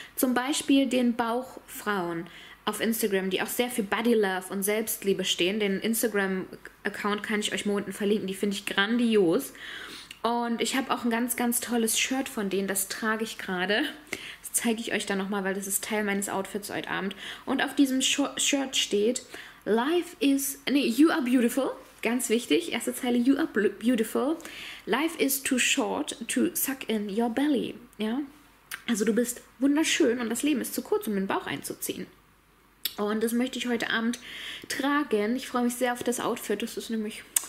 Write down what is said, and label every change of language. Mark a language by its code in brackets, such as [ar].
[de] Zum Beispiel den Bauchfrauen auf Instagram, die auch sehr für Body Love und Selbstliebe stehen. Den Instagram-Account kann ich euch mal unten verlinken, die finde ich grandios. Und ich habe auch ein ganz, ganz tolles Shirt von denen. Das trage ich gerade. Das zeige ich euch dann nochmal, weil das ist Teil meines Outfits heute Abend. Und auf diesem Shirt steht: [en] Life is. [de] Nee, [en] you are beautiful. [de] Ganz wichtig. Erste Zeile: [en] You are beautiful. Life is too short to suck in your belly. [de] Ja? Also, du bist wunderschön und das Leben ist zu kurz, um den Bauch einzuziehen. Und das möchte ich heute Abend tragen. Ich freue mich sehr auf das Outfit. Das ist nämlich.